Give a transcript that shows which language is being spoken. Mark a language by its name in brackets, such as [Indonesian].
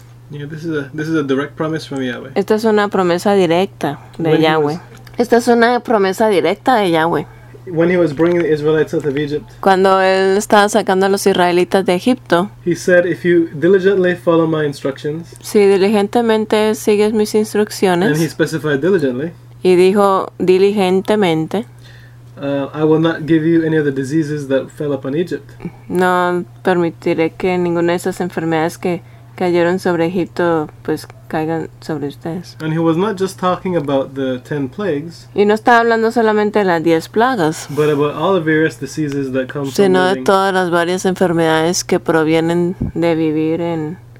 [English] Yeah, this is a direct promise from Yahweh. [Spanish] Esta es una promesa directa de Yahweh. Esta es una promesa directa de Yahweh. [English] When he was bringing the Israelites out of Egypt. [Spanish] Cuando él estaba sacando a los israelitas de Egipto. [English] He said, if you diligently follow my instructions. [Spanish] Si diligentemente sigues mis instrucciones. [English] And he specified diligently. [Spanish] Y dijo diligentemente. [English] I will not give you any of the diseases that fell upon Egypt. [Spanish] No permitiré que ninguna de esas enfermedades que cayeron sobre Egipto pues caigan sobre ustedes. [English] And he was not just talking about the 10 plagues. [Spanish] Y no estaba hablando solamente de las 10 plagas. [English] But about all the various diseases that come from living. [Spanish] Sino de todas las varias enfermedades que provienen de vivir en.